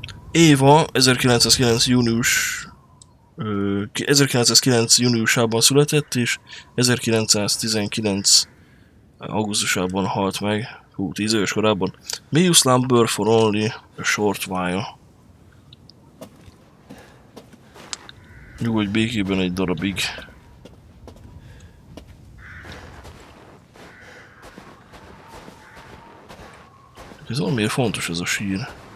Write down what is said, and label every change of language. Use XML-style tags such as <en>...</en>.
<hu>Éva, 1909. június 1909 júniusában született, és 1919 augusztusában halt meg, 10 éves korában.</hu> <en>May you slumber for only a short while.</en> <hu>Nyugodj békében egy darabig. Ez valamiért fontos ez a sír.</hu>